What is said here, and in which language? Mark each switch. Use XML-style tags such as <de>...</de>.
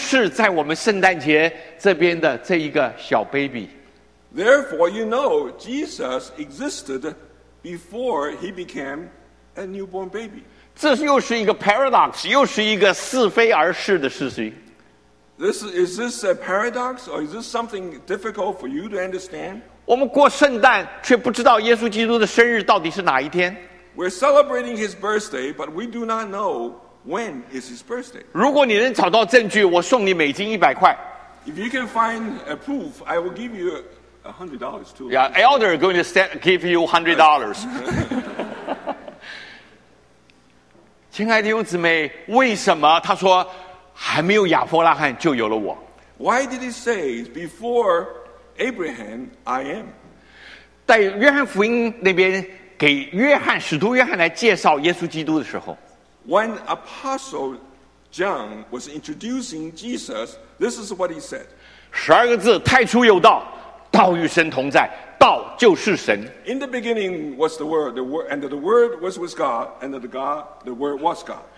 <zh>所以你会发现,耶稣基督的降生不是在我们圣诞节这边的这一个小 baby。</zh> <en>Therefore, you know, Jesus existed before he became a newborn baby.</en> <zh>这又是一个 paradox, 又是一个是非而是的事情。</zh> <en>Is this a paradox, or is this something difficult for you to understand?</en> <zh>我们过圣诞却不知道耶稣基督的生日到底是哪一天。</zh> <en>We're celebrating his birthday, but we do not know when is his birthday.</en> <zh>如果你能找到证据，我送你美金一百块。</zh> <en>If you can find a proof, I will give you $100 too. Yeah, elder going to give you $100.</en> <zh>亲爱的弟兄姊妹，为什么他说还没有亚伯拉罕就有了我？</zh> <en>Why did he say before Abraham, I am?</en> <zh>在约翰福音那边给约翰使徒约翰来介绍耶稣基督的时候，</zh> <en>When Apostle John was introducing Jesus, this is what he said.</en> <zh>十二个字，太初有道，道与神同在，道就是神。</zh> <en>In the beginning was the word, and the word was with God, and the God, the word was God.</en>